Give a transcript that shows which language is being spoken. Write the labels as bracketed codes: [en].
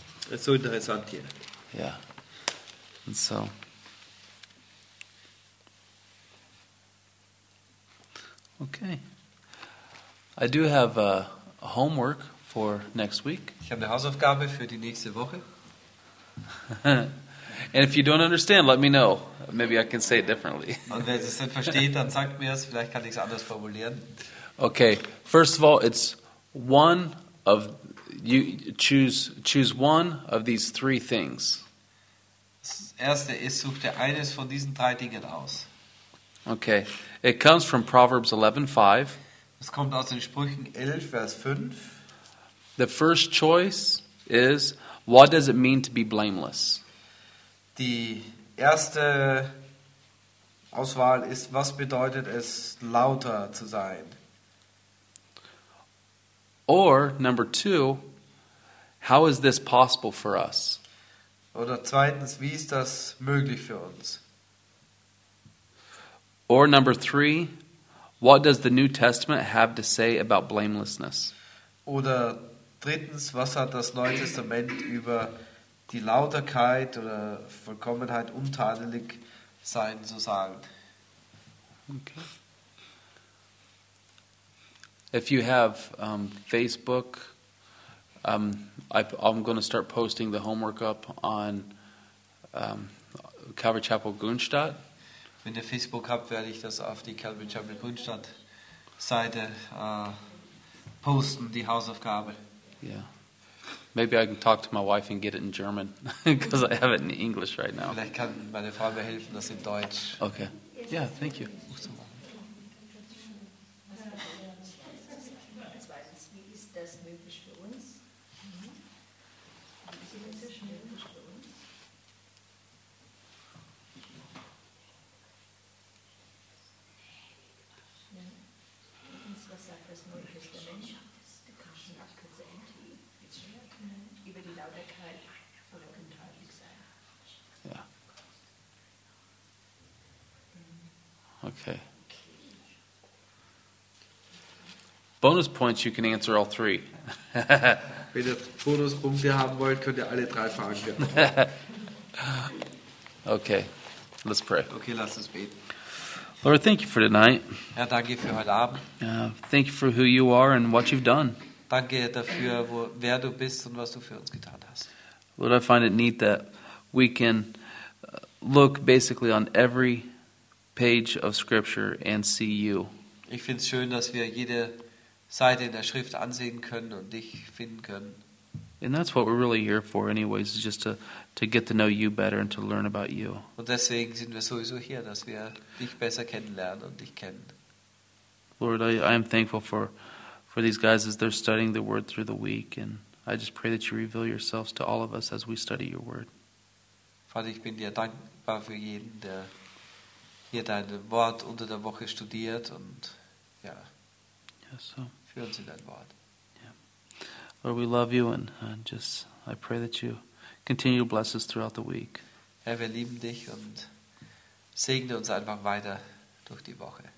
[en] It's so interesting here. Yeah. And so. Okay. I do have a homework for next week. [de] Ich habe eine Hausaufgabe für die nächste Woche. [en] And if you don't understand, let me know. Maybe I can say it differently. [de] Und wenn es nicht versteht, dann sagt mir es. Vielleicht kann ich es anders formulieren. [en] Okay. First of all, it's one of you choose one of these three things. [de] Das erste ist, such dir eines von diesen drei Dingen aus. [en] Okay. It comes from Proverbs 11:5. [de] Es kommt aus den Sprüchen 11, Vers 5. [en] The first choice is, what does it mean to be blameless? [de] Die erste Auswahl ist, was bedeutet es, lauter zu sein? [en] Or, number two, how is this possible for us? [de] Oder zweitens, wie ist das möglich für uns? [en] Or, number three, what does the New Testament have to say about blamelessness? [de] Oder drittens, was hat das Neue Testament über die Lauterkeit oder Vollkommenheit, untadelig sein zu sagen. [en] Okay. If you have Facebook, I'm going to start posting the homework up on Calvary Chapel Grünstadt. [de] Wenn ihr Facebook habt, werde ich das auf die Calvary Chapel Grünstadt Seite posten, die Hausaufgabe. Ja. Yeah. [en] Maybe I can talk to my wife and get it in German because I have it in English right now. [de] Vielleicht kann meine Frau mir helfen, das in Deutsch. [en] Okay. Yeah, thank you. Okay. Bonus points, you can answer all three. [de] Wenn ihr Bonuspunkte haben wollt, könnt ihr alle drei Fragen beantworten. [en] Okay, let's pray. [de] Okay, lass uns beten. [en] Lord, thank you for tonight. [de] Ja, danke für heute Abend. [en] Thank you for who you are and what you've done. [de] Danke dafür, wer du bist und was du für uns getan hast. [en] Lord, I find it neat that we can look basically on every page of scripture and see you. [de] Ich find's schön, dass wir jede Seite in der Schrift ansehen können und dich finden können. [en] And that's what we're really here for anyways, is just to get to know you better and to learn about you. [de] Und deswegen sind wir sowieso hier, dass wir dich besser kennenlernen und dich kennen. [en] Lord, I am thankful for these guys as they're studying the word through the week, and I just pray that you reveal yourselves to all of us as we study your word. [de] Vater, ich bin dir dankbar für jeden, der hier dein Wort unter der Woche studiert und ja, [en] yes, so. [de] Führ uns in dein Wort. [en] Yeah. Lord, we love you and just I pray that you continue to bless us throughout the week. [de] Herr, wir lieben dich und segne uns einfach weiter durch die Woche.